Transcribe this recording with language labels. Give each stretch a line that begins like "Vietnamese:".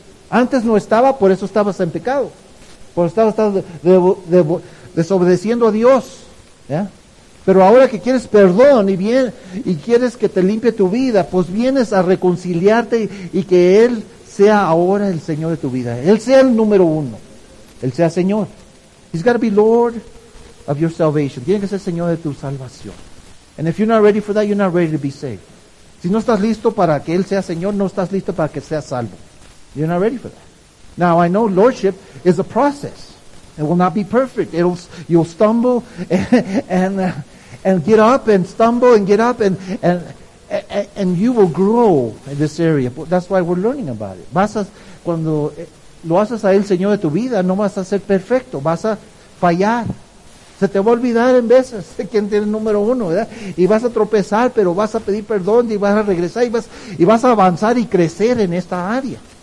Spanish: Antes no estaba, por eso estabas en pecado, por eso estabas desobedeciendo a Dios, ¿ya? Pero ahora que quieres perdón y quieres que te limpie tu vida, pues vienes a reconciliarte y que Él sea ahora el Señor de tu vida. Él sea el número uno. Él sea Señor.
English: He's got to be Lord of your salvation.
Spanish: Tiene que ser Señor de tu salvación.
English: And if you're not ready for that, you're not ready to be saved.
Spanish: Si no estás listo para que Él sea Señor, no estás listo para que seas salvo.
English: You're not ready for that. Now, I know lordship is a process. It will not be perfect. You'll stumble and get up and stumble and get up and you will grow in this area. That's why we're learning about it.
Spanish: Cuando lo haces a Él Señor de tu vida, no vas a ser perfecto. Vas a fallar. Se te va a olvidar en veces quién tiene el número uno, ¿verdad? Y vas a tropezar, pero vas a pedir perdón y vas a regresar y vas a avanzar y crecer en esta área.